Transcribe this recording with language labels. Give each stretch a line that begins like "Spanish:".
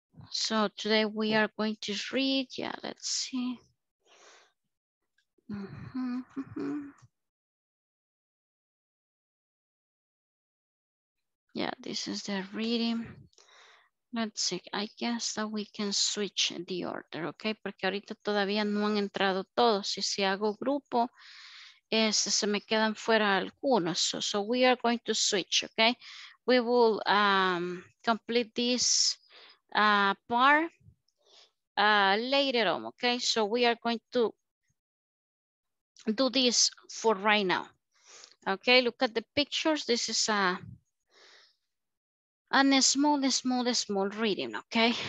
English: So today we are going to read, yeah, let's see. Mm-hmm. Yeah, this is the reading. Let's see, I guess that we can switch the order, okay?
Spanish: Porque ahorita todavía no han entrado todos. Y si hago grupo, se me quedan fuera algunos.
English: So we are going to switch, okay? We will complete this part later on, okay? So we are going to do this for right now. Okay, look at the pictures. This is a... and a small reading, okay?